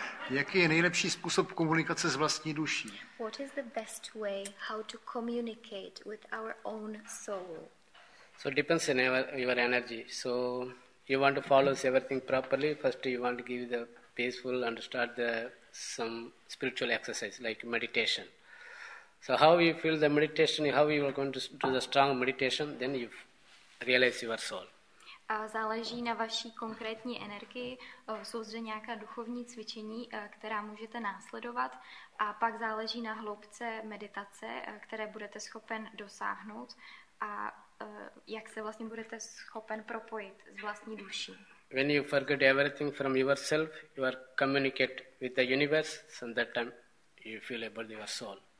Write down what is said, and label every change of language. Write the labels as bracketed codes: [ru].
[cs] Jaký je nejlepší způsob komunikace s vlastní duší? [en] What is the best way how to communicate with our own soul? So depends on your energy. So you want to follow everything properly. First you want to give the peaceful and start the some spiritual exercise like meditation. So how you feel the meditation, how you are going to do the strong meditation, then you realize your soul. [cs] Záleží na vaší konkrétní energii. Jsou zde nějaká duchovní cvičení, která můžete následovat. A pak záleží na hloubce meditace, které budete schopen dosáhnout. A jak se vlastně budete schopen propojit s vlastní duší. [en] When you forget everything from yourself, you are communicate with the universe, and that time you feel about your soul.